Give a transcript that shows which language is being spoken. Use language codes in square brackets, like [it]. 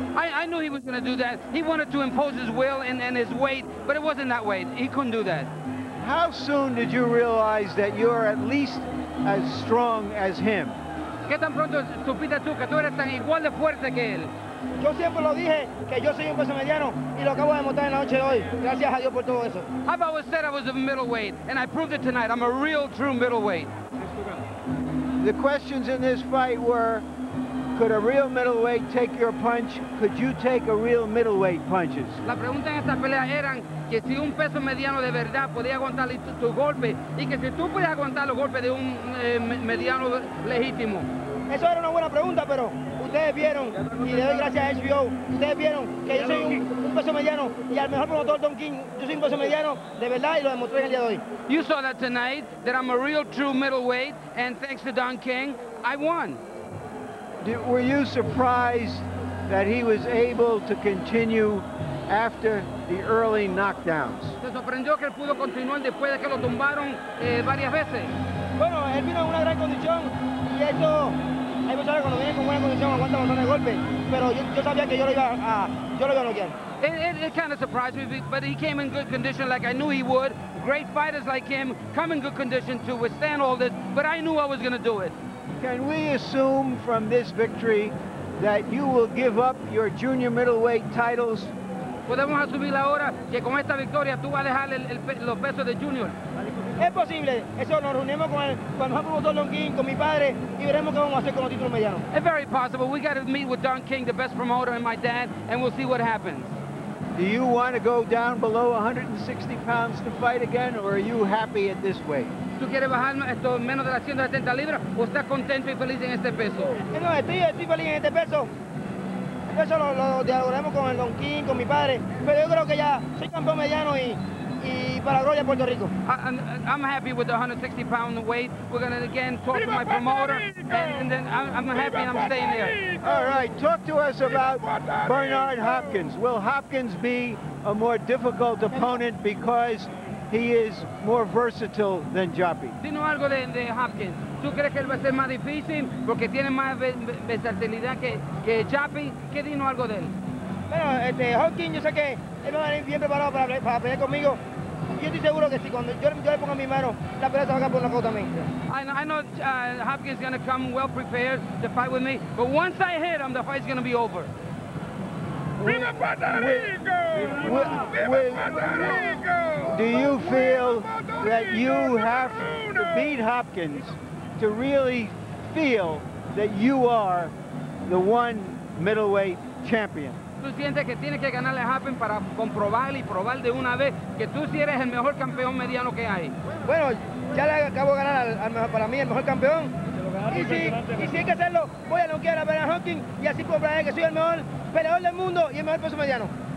[en] I knew he was going to do that. He wanted to impose his will and his weight, but it wasn't that way. He couldn't do that. How soon did you realize that you're at least as strong as him? [es] ¿Qué tan pronto supiste tú que tú eres tan igual de fuerte que él? Yo siempre lo dije que yo soy un peso mediano y lo acabo de demostrar en la noche de hoy. Gracias a Dios por todo eso. [en] I've always said I was a middleweight, and I proved it tonight. I'm a real, true middleweight. The questions in this fight were, could a real middleweight take your punch? Could you take a real middleweight punches? [es] La pregunta en esta pelea eran que si un peso mediano de verdad podía aguantar tu golpe y que si tú puedes aguantar los golpes de un mediano legítimo. Eso era una buena pregunta, pero ustedes vieron, y le doy gracias a HBO, ustedes vieron que yo soy un peso mediano y al mejor promotor Don King, yo soy un peso mediano de verdad y lo demostré el día de hoy. [en] You saw that tonight, that I'm a real true middleweight, and thanks to Don King, I won. Were you surprised that he was able to continue after the early knockdowns? [es] ¿Te sorprendió que él pudo continuar después de que lo tumbaron varias veces? Bueno, él vino en una gran condición y eso, hay personas cuando vienen con buena condición aguantan un montón de golpes, pero yo sabía que yo lo iba a noquear. [en] It kind of surprised me, but he came in good condition like I knew he would. Great fighters like him come in good condition to withstand all this, but I knew I was going to do it. Can we assume from this victory that you will give up your junior middleweight titles? [es] Podemos asumir ahora que con esta victoria tú vas a dejar los pesos de junior. Es posible. Eso nos reunimos con el promotor Don King, con mi padre, y veremos qué vamos a hacer con los títulos medianos. [en] It's very possible. We got to meet with Don King, the best promoter, and my dad, and we'll see what happens. Do you want to go down below 160 pounds to fight again, or are you happy at this weight? [es] ¿Tú quieres bajar esto menos de las 170 libras o estás contento y feliz en este peso? No, estoy feliz en este peso. Eso lo dialogaremos con el Don King, con mi padre. Pero yo creo que ya soy campeón mediano y y para Gloria Puerto Rico. [en] I'm happy with the 160 pound weight. We're gonna again talk to my promoter, and then I'm happy and I'm staying there. All right, talk to us about Bernard Hopkins. Will Hopkins be a more difficult opponent because he is more versatile than Joppy? [es] Dino algo de Hopkins. ¿Tú crees que él va a ser más difícil porque tiene más versatilidad que Joppy? ¿Qué dino algo de él? Bueno, Hopkins, yo sé que él va a venir bien preparado para pelear conmigo. Yo estoy seguro que si cuando yo le ponga mi mano, la pelea se va a quedar por la cosa también. [en] I know Hopkins is going to come well prepared to fight with me, but once I hit him, the fight's going to be over. Do you feel that you have to beat Hopkins to really feel that you are the one middleweight champion? [es] Tú sientes que tienes que ganarle a Hopkins para comprobar y probar de una vez que tú sí eres el mejor campeón mediano que hay. Bueno, ya le acabo de ganar al mejor, para mí el mejor campeón. Y si hay que hacerlo, voy a noquear a Bernard Hopkins y así comprobaré que soy el mejor peleador del mundo y el mejor peso mediano.